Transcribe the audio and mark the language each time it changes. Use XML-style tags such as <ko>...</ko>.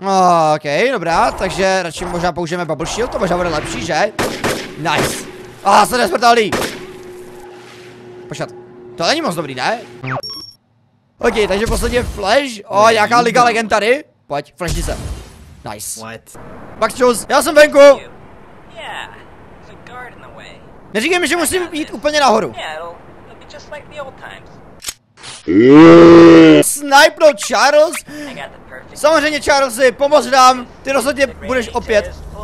<cs>No, okej, okay, dobrá, takže radši možná použijeme bubble shield, to možná bude lepší, že? Nice! A se nesmrtelný! Počkat, to není moc dobrý, ne? Okej, okay, takže posledně flash, o, nějaká liga legend tady. Pojď, flashni se. Nice.</cs> <en>What?</en> <cs>Max Jones, já jsem venku!</cs> <en>Yeah, the guard in the way.</en> <cs>Neříkej mi, že musím jít úplně nahoru.</cs> <en>Yeah, it'll be just like the old times. Snipe no Charles?</en> <cs>Samozřejmě Charlesi, pomoz nám, ty rozhodně budeš opět.</cs>